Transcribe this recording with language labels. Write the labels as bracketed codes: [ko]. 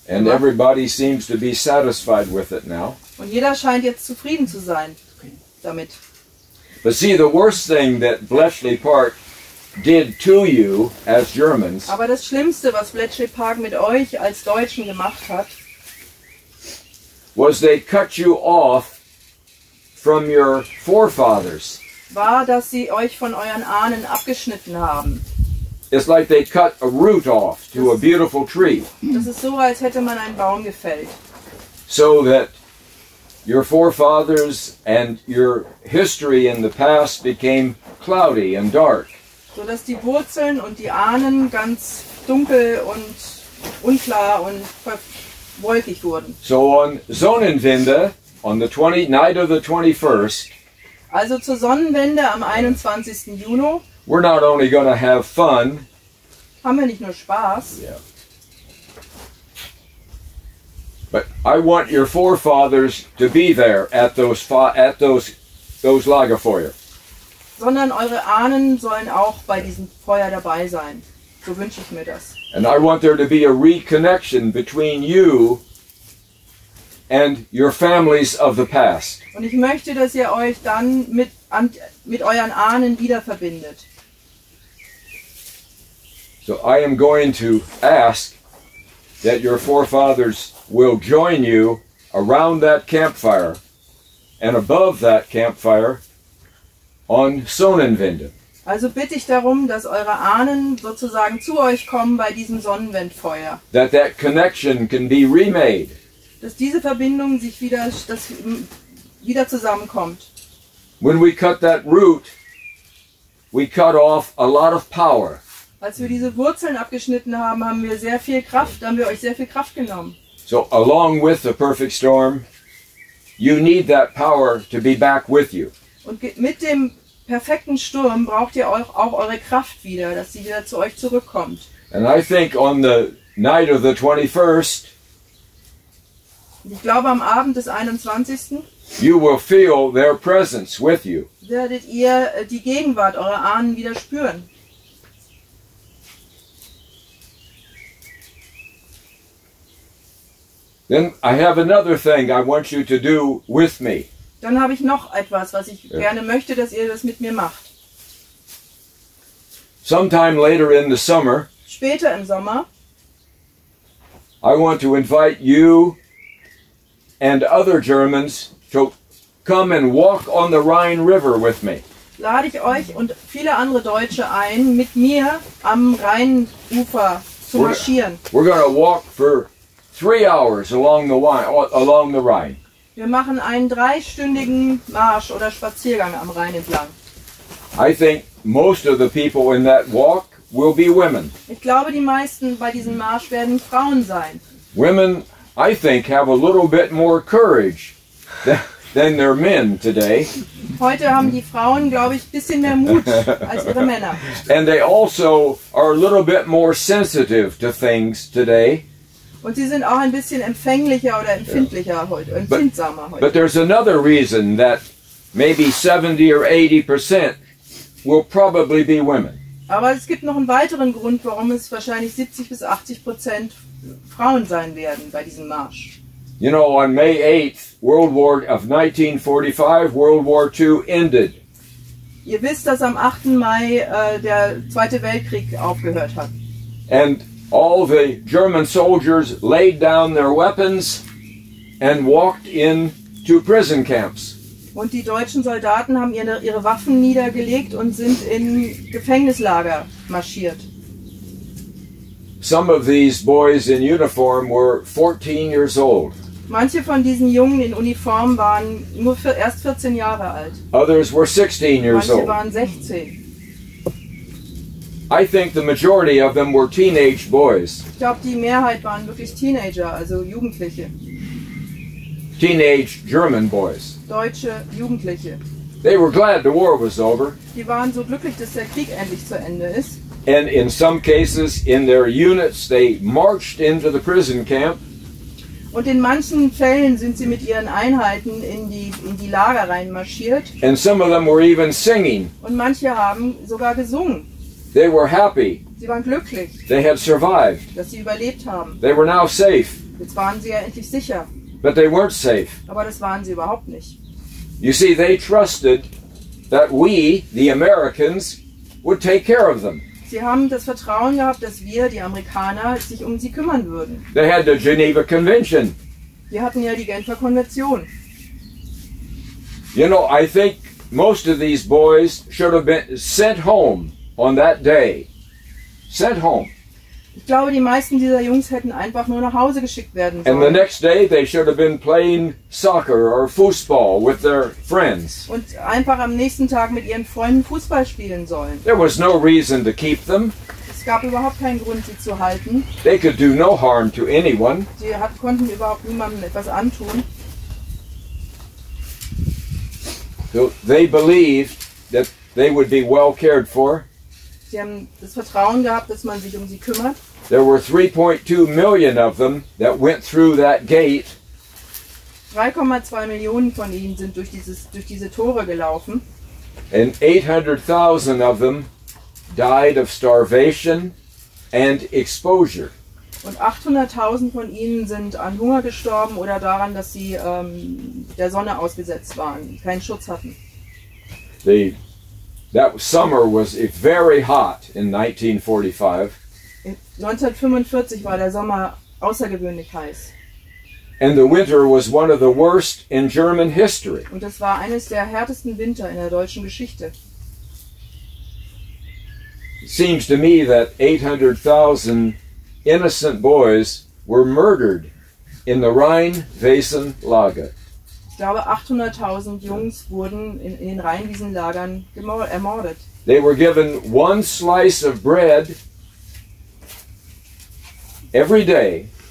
[en] And everybody seems to be satisfied with it now. [de] Und jeder scheint jetzt zufrieden zu sein damit. [en] But see, the worst thing that Bletchley Park did to you as Germans. [de] Aber das Schlimmste, was Bletchley Park mit euch als Deutschen gemacht hat, [en] was they cut you off from your forefathers. [de] War, dass sie euch von euren Ahnen abgeschnitten haben. [en] It's like they cut a root off to a beautiful tree. [de] Das ist so, als hätte man einen Baum gefällt. [en] So that your forefathers and your history in the past became cloudy and dark. [de] So dass die Wurzeln und die Ahnen ganz dunkel und unklar und wolkig wurden. [en] So on Sonnenwende, on the 20, night of the 21st, [de] also zur Sonnenwende am 21. Juni. [en] We're not only going to have fun. [de] Haben wir nicht nur Spaß. [en] Yeah. But I want your forefathers to be there at those Lagerfeuer. [de] Sondern eure Ahnen sollen auch bei diesem Feuer dabei sein. So wünsche ich mir das. [en] And I want there to be a reconnection between you and your families of the past. [de] Und ich möchte, dass ihr euch dann mit euren Ahnen wieder verbindet. [en] So I am going to ask that your forefathers will join you around that campfire and above that campfire on Sonnenwende. [de] Also bitte ich darum, dass eure Ahnen sozusagen zu euch kommen bei diesem Sonnenwendfeuer. [en] That connection can be remade. [de] Dass diese Verbindung sich wieder, dass wieder zusammenkommt. [en] When we cut that root, we cut off a lot of power. [de] Als wir diese Wurzeln abgeschnitten haben, haben wir sehr viel Kraft, haben wir euch sehr viel Kraft genommen. [en] So along with the perfect storm, you need that power to be back with you. [de] Und mit dem perfekten Sturm braucht ihr auch eure Kraft wieder, dass sie wieder zu euch zurückkommt. [en] And I think on the night of the 21st, [de] ich glaube, am Abend des 21. [en] You will feel their presence with you. [de] Werdet ihr die Gegenwart eurer Ahnen wieder spüren. [en] Then I have another thing I want you to do with me. [de] Dann habe ich noch etwas, was ich gerne möchte, dass ihr das mit mir macht. [en] Sometime later in the summer. [de] Später im Sommer. [en] I want to invite you and other Germans to come and walk on the Rhine River with me. [de] Lade ich euch und viele andere Deutsche ein, mit mir am Rheinufer zu marschieren. [en] We're going to walk for 3 hours along the Rhine. [de] Wir machen einen dreistündigen Marsch oder Spaziergang am Rhein entlang. [en] I think most of the people in that walk will be women. [de] Ich glaube, die meisten bei diesem Marsch werden Frauen sein. [en] Women, I think, have a little bit more courage than their men today. [de] Heute haben die Frauen, glaube ich, ein bisschen mehr Mut als ihre Männer. [en] And they also are a little bit more sensitive to things today. [de] Und sie sind auch ein bisschen empfänglicher oder empfindlicher empfindsamer heute. [en] But there's another reason that maybe 70 or 80% will probably be women. [de] Aber es gibt noch einen weiteren Grund, warum es wahrscheinlich 70-80% Frauen sein werden bei diesem Marsch. [en] You know, on May 8th, World War II ended. [de] Ihr wisst, dass am 8. Mai der Zweite Weltkrieg aufgehört hat. [en] And all the German soldiers laid down their weapons and walked in to prison camps. [de] Und die deutschen Soldaten haben ihre Waffen niedergelegt und sind in Gefängnislager marschiert. [en] Some of these boys in uniform were 14 years old. [de] Manche von diesen Jungen in Uniform waren nur erst 14 Jahre alt. [en] Others were 16 years old. [de] Manche waren 16. [en] I think the majority of them were teenage boys. [de] Ich glaube, die Mehrheit waren wirklich Teenager, also Jugendliche. [en] Teenage German boys. [de] Deutsche Jugendliche. [en] They were glad the war was over. [de] Die waren so glücklich, dass der Krieg endlich zu Ende ist. [en] And in some cases, in their units, they marched into the prison camp. [de] Und in manchen Fällen sind sie mit ihren Einheiten in die Lager reinmarschiert. [en] And some of them were even singing. [de] Und manche haben sogar gesungen. [en] They were happy. [de] Sie waren glücklich. [en] They had survived. [de] Dass sie überlebt haben. [en] They were now safe. [de] Jetzt waren sie ja endlich sicher. [en] But they weren't safe. [de] Aber das waren sie überhaupt nicht. [en] You see, they trusted that we, the Americans, would take care of them. [de] Sie haben das Vertrauen gehabt, dass wir, die Amerikaner, sich um sie kümmern würden. [en] They had the Geneva Convention. [de] Wir hatten ja die Genfer Konvention. [en] You know, I think most of these boys should have been sent home on that day. Sent home. [de] Ich glaube, die meisten dieser Jungs hätten einfach nur nach Hause geschickt werden sollen. [en] And the next day they should have been playing soccer or football with their friends. [de] Und einfach am nächsten Tag mit ihren Freunden Fußball spielen sollen. [en] There was no reason to keep them. [de] Es gab überhaupt keinen Grund, sie zu halten. [en] They could do no harm to anyone. [de] Sie konnten überhaupt niemandem etwas antun. [en] So they believed that they would be well cared for. [de] Sie haben das Vertrauen gehabt, dass man sich um sie kümmert. [en] There were 3.2 million of them that went through that gate. [de] 3,2 Millionen von ihnen sind durch diese Tore gelaufen. [en] And 800,000 of them died of starvation and exposure. [de] Und 800,000 von ihnen sind an Hunger gestorben oder daran, dass sie der Sonne ausgesetzt waren, keinen Schutz hatten. [en] That summer was very hot in 1945. [de] 1945 war der Sommer außergewöhnlich heiß. [en] And the winter was one of the worst in German history. [de] Und das war eines der härtesten Winter in der deutschen Geschichte. [en] It seems to me that 800,000 innocent boys were murdered in the Rhein-Weser-Lager. [de] Ich glaube, 800,000 Jungs wurden in den Rheinwiesenlagern ermordet. [en] They were given one slice of bread every day.